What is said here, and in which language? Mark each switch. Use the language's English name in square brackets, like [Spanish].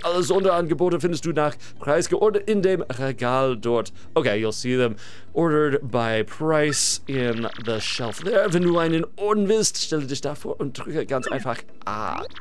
[German] Alle Sonderangebote findest du nach Preis geordnet in dem Regal dort. [English] Okay, you'll see them ordered by price in the shelf there. [German] Wenn du einen Orden willst, stelle dich davor und drücke ganz einfach A.